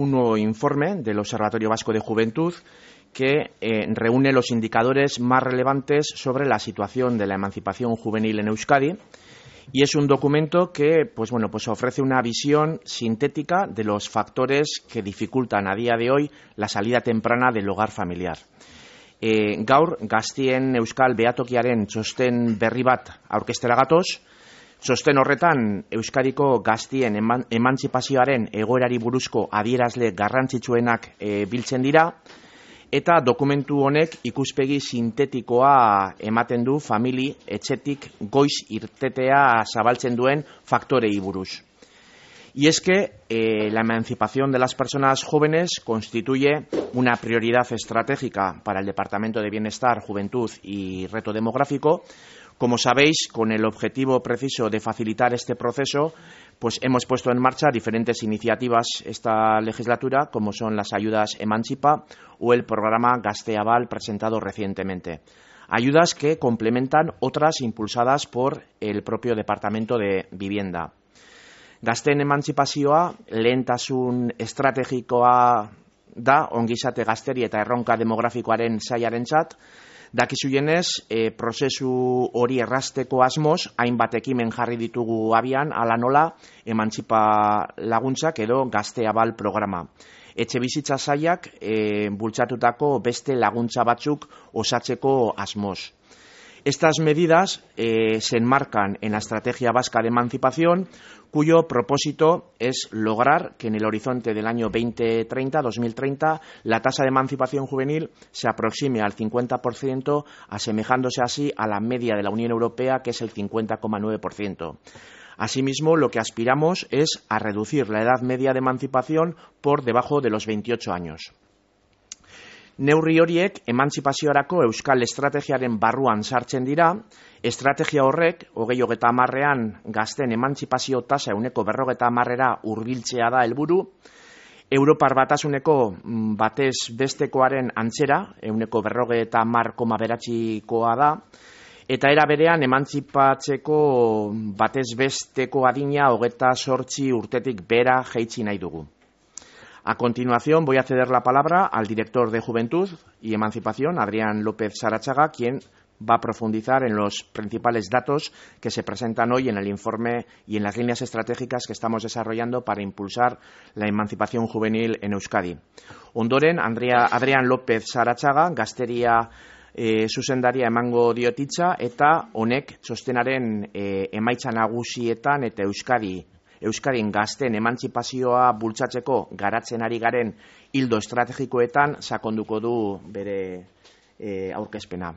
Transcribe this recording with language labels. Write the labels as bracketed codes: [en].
[es] un nuevo informe del Observatorio Vasco de Juventud que reúne los indicadores más relevantes sobre la situación de la emancipación juvenil en Euskadi. Y es un documento que ofrece una visión sintética de los factores que dificultan a día de hoy la salida temprana del hogar familiar. [eu] Gaur, gaztien euskal behatokiaren txosten berri bat aurkestera gatoz. Txosten horretan, Euskadiko gaztien emantzipazioaren egoerari buruzko adierazle garrantzitsuenak biltzen dira. Eta dokumentu honek ikuspegi sintetikoa ematen du famili etxetik goiz irtetea zabaltzen duen faktorei buruz. [es] Y es que la emancipación de las personas jóvenes constituye una prioridad estratégica para el Departamento de Bienestar, Juventud y Reto Demográfico. Como sabéis, con el objetivo preciso de facilitar este proceso, pues hemos puesto en marcha diferentes iniciativas esta legislatura, como son las ayudas Emancipa o el programa Gazteabal presentado recientemente. Ayudas que complementan otras impulsadas por el propio Departamento de Vivienda. [eu] Gazteen emantzipazioa lehentasun estrategikoa da ongizate gazteri eta erronka demografikoaren sailarentzat. Dakizuenez, prozesu hori errazteko asmoz, hainbat ekimen jarri ditugu abian, ala nola, emantzipa laguntzak edo gazteabal programa. Etxe bizitza sailak bultzatutako beste laguntza batzuk osatzeko asmoz. [es] Estas medidas se enmarcan en la Estrategia Vasca de Emancipación, cuyo propósito es lograr que en el horizonte del año 2030, la tasa de emancipación juvenil se aproxime al 50%, asemejándose así a la media de la Unión Europea, que es el 50,9%. Asimismo, lo que aspiramos es a reducir la edad media de emancipación por debajo de los 28 años. [eu] Neurri horiek emantzipaziorako euskal estrategiaren barruan sartzen dira. Estrategia horrek, 2030ean gazten emantzipazio tasa 40%-era hurbiltzea da helburu. Europar batasuneko batez bestekoaren antzera, 40,9%-koa da. Eta era berean emantzipatzeko batez besteko adina 28 urtetik behera jaitsi nahi dugu. [es] A continuación, voy a ceder la palabra al director de Juventud y Emancipación, Adrián López Sarachaga, quien va a profundizar en los principales datos que se presentan hoy en el informe y en las líneas estratégicas que estamos desarrollando para impulsar la emancipación juvenil en Euskadi. [eu] Ondoren, Adrián López Sarachaga, gazteria zuzendaria emango diotitza, eta honek txostenaren emaitza nagusietan eta Euskadin gazten emantzipazioa bultzatzeko garatzen ari garen ildo estrategikoetan sakonduko du bere aurkezpena.